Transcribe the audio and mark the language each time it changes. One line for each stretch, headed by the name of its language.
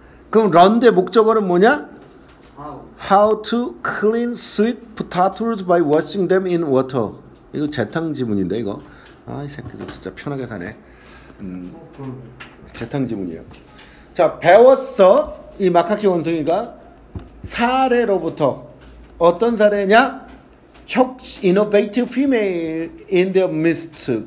Korean: 그럼 런드의 목적어는 뭐냐?
English: How to clean sweet potatoes by washing them in water.
Korean: 이거 재탕 지문인데 이거. 아 이 새끼들 진짜 편하게 사네. 재탕 지문이에요. 자 배웠어 이 마카키 원숭이가 사례로부터 어떤 사례냐? 혁신
English: innovative female in their midst.